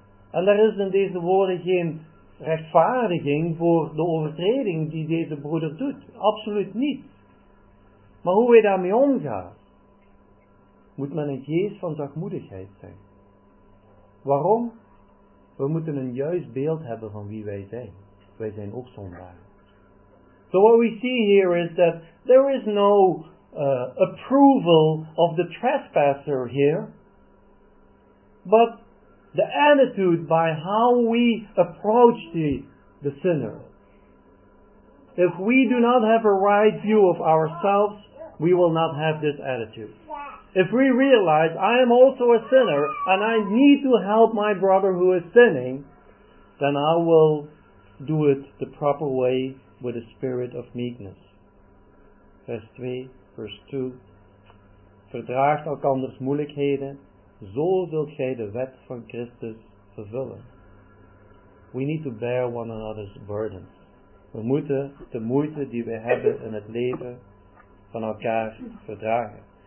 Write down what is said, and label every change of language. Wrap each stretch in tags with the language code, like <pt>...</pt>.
<nl>En er is in deze woorden geen rechtvaardiging voor de overtreding die deze broeder doet, absoluut niet. Maar hoe wij daarmee omgaan, moet men een geest van zachtmoedigheid zijn. Waarom? We moeten een juist beeld hebben van wie wij zijn. Wij zijn ook zondaar.</nl> <en>So what we see here is that there is no approval of the trespasser here, but the attitude by how we approach the sinner. If we do not have a right view of ourselves, we will not have this attitude. If we realize I am also a sinner and I need to help my brother who is sinning, then I will do it the proper way with a spirit of meekness.</en> <nl>Vers 2, vers 2. Verdraagt elkanders moeilijkheden, zo zult gij de wet van Christus vervullen.</nl> <en>We need to bear one another's burdens.</en> <nl>We moeten de moeite die we hebben in het leven van elkaar verdragen.</nl>